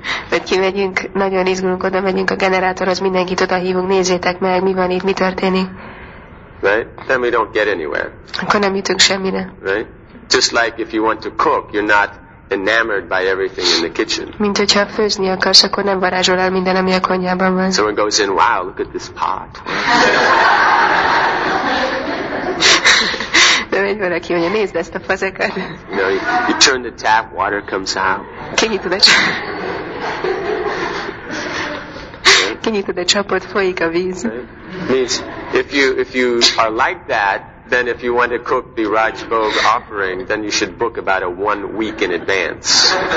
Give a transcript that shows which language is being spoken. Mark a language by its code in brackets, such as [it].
[hu] Hogy kimegyünk, nagyon izgulunk, oda megyünk a generátorhoz, mindenkit oda hívunk, nézzétek meg, mi van itt, mi történik. [en] Right? Then we don't get anywhere. [hu] Akkor nem jutunk semmire. [en] Right? Just like if you want to cook, you're not enamored by everything in the kitchen. [hu] Mint hogyha főzni akarsz, akkor nem varázsol el minden, ami a konyhában van. [en] Someone goes in, wow, look at this pot. [hu] De megy valaki, hogy nézd ezt a fazekat. [en] No, you turn the tap, water comes out. [hu] Kinyitod a csapot. Kinyitod a csapot, folyik a víz. [en] Means if you are like that, then if you want to cook the Rajbhog offering, then you should book about a 1 week in advance.